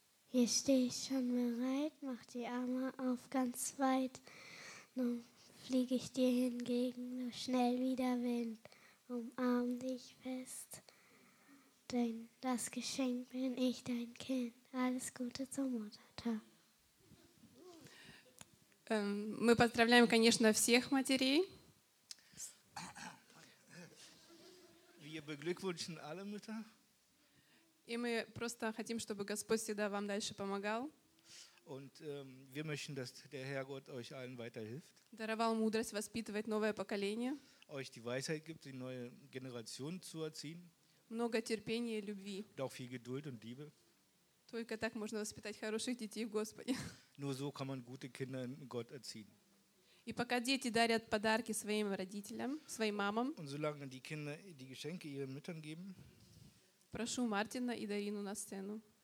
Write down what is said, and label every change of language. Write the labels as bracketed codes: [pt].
[de] Hier stehe ich schon bereit, mach die Arme auf ganz weit. Nun fliege ich dir hingegen, nur schnell wie der Wind. Umarm dich fest, denn das Geschenk bin ich, dein Kind. Alles Gute zum Muttertag. [ru] Мы поздравляем, конечно, всех матерей. [de] Wir beglückwünschen alle Mütter. [ru] И мы просто хотим, чтобы Господь всегда вам дальше помогал. [de] Und wir möchten, dass der Herr Gott euch allen weiterhilft. [ru] Даровал мудрость воспитывать новое поколение. [de] Euch die Weisheit gibt, die neue Generation zu erziehen. [ru] Много терпения и любви. [de] Und auch viel Geduld und Liebe. [ru] Только так можно воспитать хороших детей в Господе. [de] Nur so kann man gute Kinder in Gott erziehen. [ru] И пока дети дарят подарки своим родителям, своим мамам, [de] und solange die Kinder die Geschenke ihren Müttern geben, [ru] прошу Мартина и Дарину на сцену.